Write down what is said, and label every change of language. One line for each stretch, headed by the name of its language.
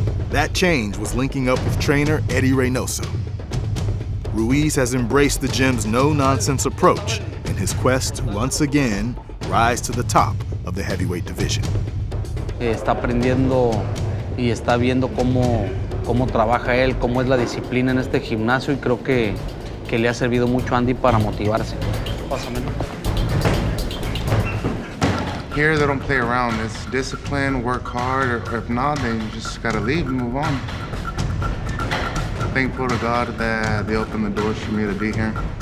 English: That change was linking up with trainer Eddie Reynoso. Ruiz has embraced the gym's no-nonsense approach in his quest to once again rise to the top of the heavyweight division.
Spanish: Está aprendiendo y está viendo cómo trabaja él, cómo es la disciplina en este gimnasio, y creo que le ha servido mucho a Andy para motivarse. Pásame.
English: Here they don't play around. It's discipline, work hard, or if not, then you just gotta leave and move on. Thankful to God that they opened the doors for me to be here.